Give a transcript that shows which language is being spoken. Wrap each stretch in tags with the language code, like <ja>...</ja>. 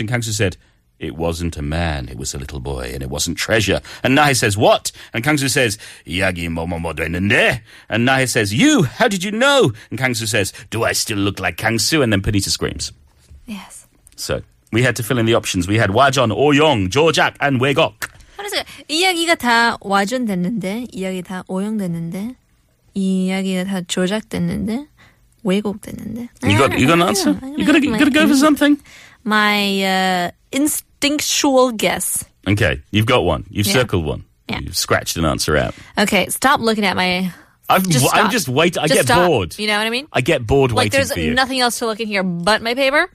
<en>And Kangsu said, it wasn't a man, it was a little boy, and it wasn't treasure. And Nahe says, what? And Kangsu says, Yagi momomodoinende. And Nahe says, you, how did you know? And Kangsu says, do I still look like Kangsu? And then Panita screams. Yes. So, we had to fill in the options. We had Wajon, Oyong, Jojak, and Wegok.</en> <ko>이야기가 다 와전됐는데, 이야기 다 오용됐는데, 이야기가 다 조작됐는데, 왜곡됐는데.</ko> <en>You got an answer? You gotta go for something. My instinctual guess. Okay, you've got one. You've circled one. Yeah. You've scratched an answer out. Okay, stop looking at my... I'm just waiting. I get bored. You know what I mean? I get bored waiting for you. Like, there's nothing else to look in here but my paper?</en>